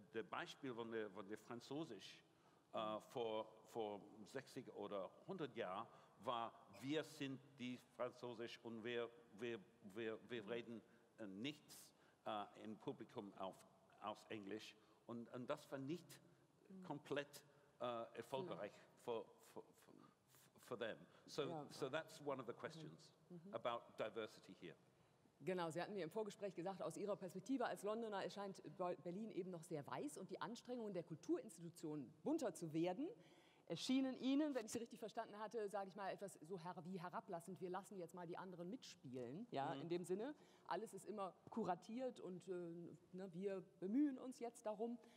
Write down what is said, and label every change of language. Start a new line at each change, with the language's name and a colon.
German: Beispiel von der Französisch vor 60 oder 100 Jahren war, wir sind die Französisch und wir reden nichts im Publikum auf Englisch. Und das war nicht komplett erfolgreich für them.
English: So that's one of the questions about diversity here.
German: Genau, Sie hatten mir im Vorgespräch gesagt, aus Ihrer Perspektive als Londoner erscheint Berlin eben noch sehr weiß und die Anstrengungen der Kulturinstitutionen bunter zu werden, erschienen Ihnen, wenn ich Sie richtig verstanden hatte, sage ich mal etwas so wie herablassend, wir lassen jetzt mal die anderen mitspielen, ja, in dem Sinne. Alles ist immer kuratiert und wir bemühen uns jetzt darum,